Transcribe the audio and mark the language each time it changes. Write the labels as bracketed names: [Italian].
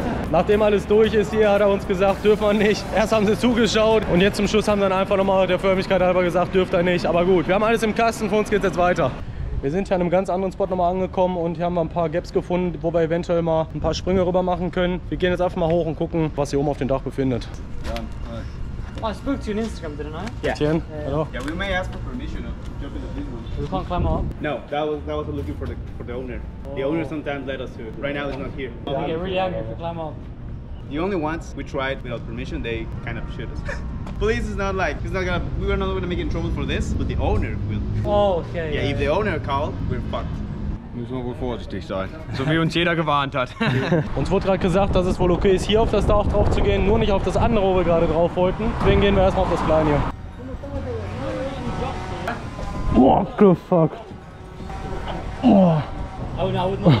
[German] Nachdem alles durch ist hier, hat er uns gesagt, dürfen wir nicht. Erst haben sie zugeschaut und jetzt zum Schluss haben sie dann einfach nochmal der Förmlichkeit halber gesagt, dürft er nicht. Aber gut, wir haben alles im Kasten, für uns geht's jetzt weiter. Wir sind hier an einem ganz anderen Spot nochmal angekommen und hier haben wir ein paar Gaps gefunden, wo wir eventuell mal ein paar Sprünge rüber machen können. Wir gehen jetzt einfach mal hoch und gucken, was hier oben auf dem Dach befindet. [English] Oh, I spoke to you on Instagram, didn't I? Yeah. Tien, hello. Yeah, we may ask for permission to jump into this one. You can't climb up? No, that was looking for the owner. Oh. The owner sometimes let us to it. Right now he's not here. We get really angry if we climb up. The only ones we tried without permission, they kind of shoot us. Police is not like, we're not gonna make in trouble for this, but the owner will. Oh, okay. Yeah, if the owner called, we're fucked. [German] Müssen wir wohl vorsichtig sein. So wie uns jeder gewarnt hat. Uns wurde gerade gesagt, dass es wohl okay ist, hier auf das Dach drauf zu gehen, nur nicht auf das andere, wo wir gerade drauf wollten. Deswegen gehen wir erstmal auf das Kleine hier. [English] What the fuck? Oh, na,